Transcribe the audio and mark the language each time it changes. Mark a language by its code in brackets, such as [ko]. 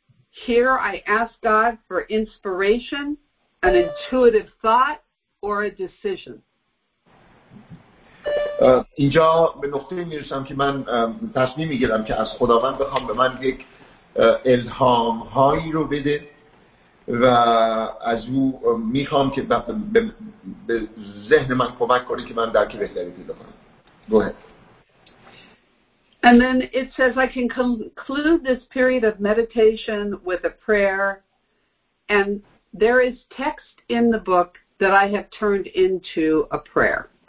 [en] Here I ask God for inspiration, an intuitive thought, or a decision. [fa] اینجا به نقطه میرسم که من تصمیم میگیرم که از خداوند بخوام به من یک الهام هایی رو بده و از او میخوام که به ذهن من کمک کنه که من درک بهتری پیدا کنم. [en] Go ahead. And then it says I can conclude this period of meditation with a prayer, and there is text in the book that I have turned into a prayer.